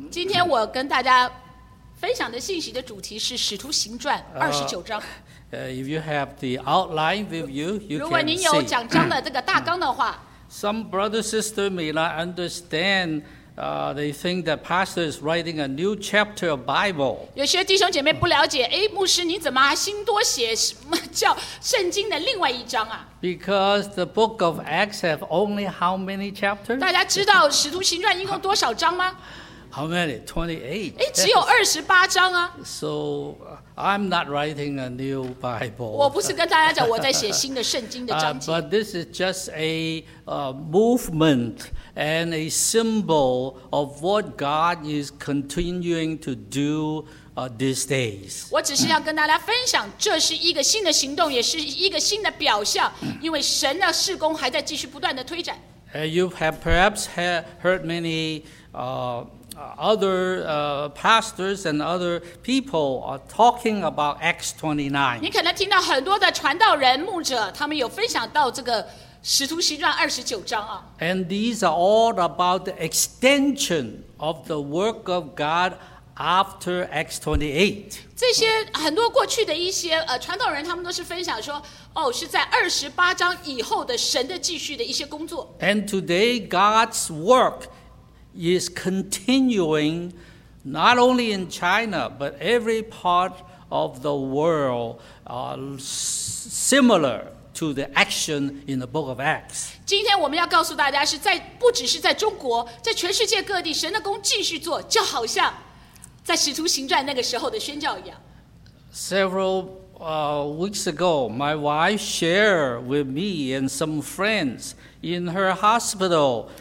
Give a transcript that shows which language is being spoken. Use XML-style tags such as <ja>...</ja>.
<zh>今天我跟大家分享的信息的主题是《使徒行传》二十九章。</zh> <en>If you have the outline with you, you can see.</en> <zh>如果您有讲章的这个大纲的话</zh> <en>，Some brothers sister may not understand. They think that pastor is writing a new chapter of Bible.</en> <zh>有些弟兄姐妹不了解，哎，牧师你怎么还新多写什么叫圣经的另外一章啊？</zh> <en>Because the book of Acts have only how many chapters?</en> <zh>大家知道《使徒行传》一共多少章吗</zh> <en>？How many? 28.</en> <zh>哎，只有二十八章啊。</zh> <en>So I'm not writing a new Bible.</en> <zh>我不是跟大家讲我在写新的圣经的章节。</zh> <en>But this is just a movement and a symbol of what God is continuing to do. These days,</en> <zh>我只是要跟大家分享，这是一个新的行动，也是一个新的表象，因为神的事工还在继续不断的推展。</zh> <en>You have perhaps heard many other pastors and other people are talking about Acts 29.</en> <zh>你可能听到很多的传道人、牧者，他们有分享到这个《使徒行传》二十九章啊。</zh> <en>And these are all about the extension of the work of God. after Acts 28.</en> <zh>这些很多过去的一些传道人，他们都是分享说，哦，是在二十八章以后的神的继续的一些工作。</zh> <en>And today God's work is continuing, not only in China but every part of the world, similar. To the action in the book of Acts.</en> <zh>今天我们要告诉大家，是在不只是在中国，在全世界各地，神的工继续做，就好像在使徒行传那个时候的宣教一样。</zh> <en>Several weeks ago, my wife shared with me and some friends in her hospital.</en>